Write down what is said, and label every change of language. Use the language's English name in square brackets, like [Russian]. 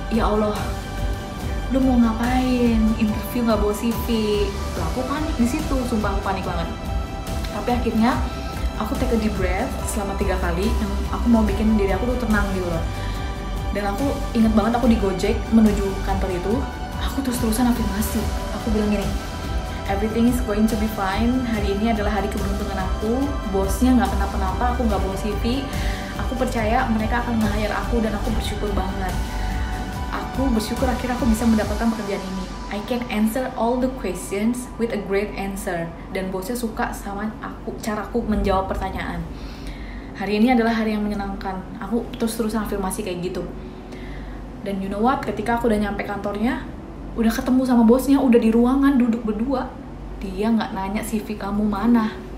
[Indonesian] Ya Allah, lu mau ngapain? Interview gak bawa CV. Lalu aku panik di situ, sumpah aku panik banget. Tapi akhirnya aku take a deep breath selama 3 kali yang aku mau bikin diri aku tuh tenang gitu loh. Dan aku ingat banget aku di Gojek menuju kantor itu, aku terus-terusan afirmasi. [English] Aku bilang gini, everything is going to be fine. [Indonesian] Hari ini adalah hari keberuntungan aku. Bosnya gak kenapa-napa, aku gak bawa CV. Aku percaya mereka akan nge-hire aku dan aku bersyukur banget. Aku bersyukur akhirnya aku bisa mendapatkan pekerjaan ini. [English] I can answer all the questions with a great answer. [Indonesian] Dan bosnya suka sama aku, cara aku menjawab pertanyaan. Hari ini adalah hari yang menyenangkan. Aku terus-terusan afirmasi kayak gitu. Dan you know what? Ketika aku udah nyampe kantornya, udah ketemu sama bosnya, udah di ruangan duduk berdua, dia gak nanya CV kamu mana.